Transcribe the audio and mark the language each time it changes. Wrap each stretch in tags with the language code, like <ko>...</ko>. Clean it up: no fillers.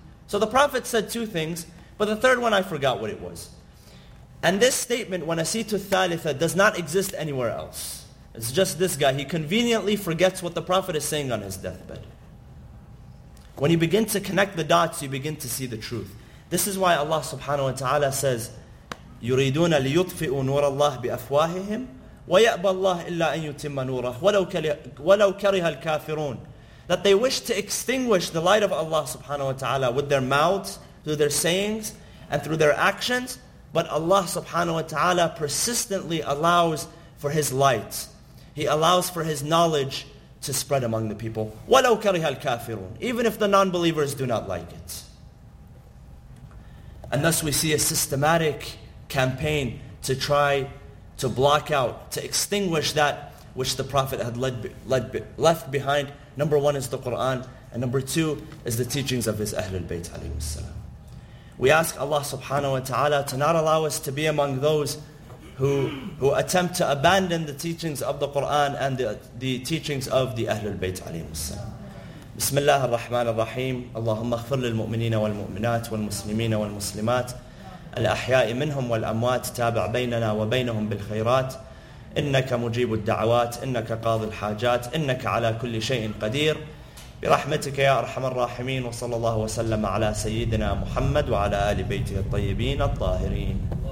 <en>So the Prophet said two things, but the third one, I forgot what it was. And this statement, nasitu thalitha, does not exist anywhere else. It's just this guy. He conveniently forgets what the Prophet is saying on his deathbed. When you begin to connect the dots, you begin to see the truth. This is why Allah subhanahu wa ta'ala says,</en> <ar>يُرِيدُونَ لِيُطْفِئُوا نُورَ اللَّهِ بِأَفْوَاهِهِمْ وَيَأْبَى اللَّهِ إِلَّا أَن يُتِمَّ نُورَهُ وَلَوْ كَرِهَ الْكَافِرُونَ.</ar> <en>That they wish to extinguish the light of Allah subhanahu wa ta'ala with their mouths, through their sayings, and through their actions. But Allah subhanahu wa ta'ala persistently allows for his light. He allows for his knowledge to spread among the people.</en> <ar>وَلَوْ كَرِهَ الْكَافِرُونَ.</ar> <en>Even if the non-believers do not like it. And thus we see a systematic campaign to try to block out, to extinguish that which the Prophet had left behind. Number one is the Qur'an, and number two is the teachings of his Ahlul Bayt alayhi wasalam. We ask Allah subhanahu wa ta'ala to not allow us to be among those who attempt to abandon the teachings of the Qur'an and the teachings of the Ahlul Bayt alayhi wasalam.</en> <ar>Bismillah ar-Rahman ar-Rahim. Allahumma aghfir lil mu'minina wal mu'minat wal muslimina wal muslimat الأحياء منهم والأموات تابع بيننا وبينهم بالخيرات إنك مجيب الدعوات إنك قاضي الحاجات إنك على كل شيء قدير برحمتك يا أرحم الراحمين وصلى الله وسلم على سيدنا محمد وعلى آل بيته الطيبين الطاهرين.</ar>